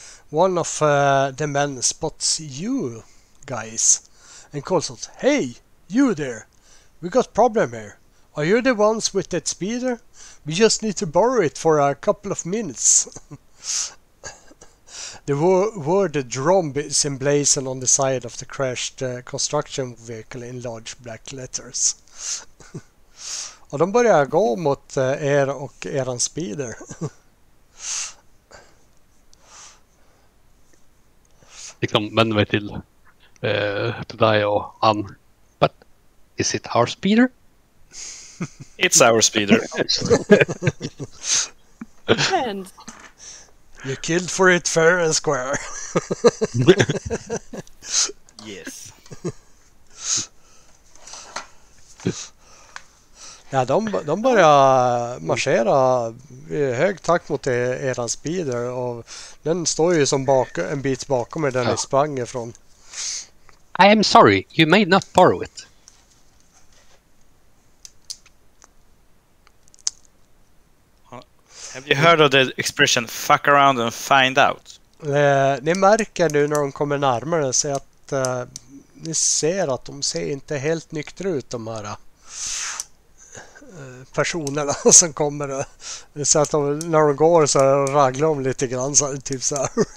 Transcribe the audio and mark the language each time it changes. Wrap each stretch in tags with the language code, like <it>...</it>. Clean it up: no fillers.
<en>One of the men spots you guys and calls out, "Hey, you there! We got problem here. Are you the ones with that speeder? We just need to borrow it for a couple of minutes." The word "Dromb" is emblazoned on the side of the crashed construction vehicle in large black letters.</en> <sv>Och de börjar gå mot er och eran speeder. Liksom vänder mig till dig och Ann.</sv> <en>But is it our speeder? It's our speeder. And you killed for it fair and square. Yes.</en> <sv>Ja, de börjar marschera i hög takt mot eran speeder och den står ju som en bit bakom er där ni sprang ifrån.</sv> <en>I am sorry, you may not borrow it. Have you heard of the expression fuck around and find out?</en> <sv>Ni märker nu när de kommer närmare så att ni ser att de ser inte helt nyktra ut de här personerna som kommer så att när de går så raglar de lite grann så typ så här.</sv>